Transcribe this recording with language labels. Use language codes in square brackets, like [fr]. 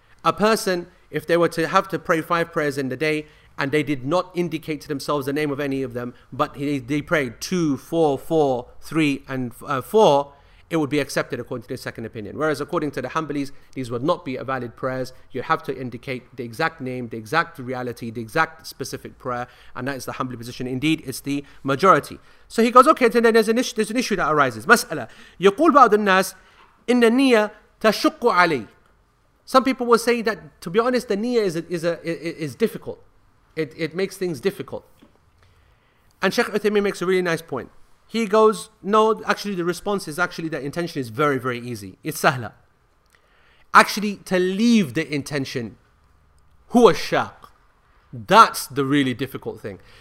[en] A person, if they were to have to pray five prayers in the day and they did not indicate to themselves the name of any of them, but they prayed 2, 4, 4, 3, and 4, it would be accepted according to the second opinion. Whereas according to the Hanbalis, these would not be a valid prayers. You have to indicate the exact name, the exact reality, the exact specific prayer. And that is the Hanbali position. Indeed, it's the majority. So he goes, okay, then there's an issue that arises. [ar] Mas'ala. يقول بعض الناس إن النية تشق علي. [en] Some people will say that, to be honest, the niyyah is difficult. It makes things difficult. And Sheikh Uthaymeen makes a really nice point. He goes, no, actually the response is actually that intention is very, very easy. It's sahla. Actually, to leave the intention, [ar] huwa shaq, [en] that's the really difficult thing.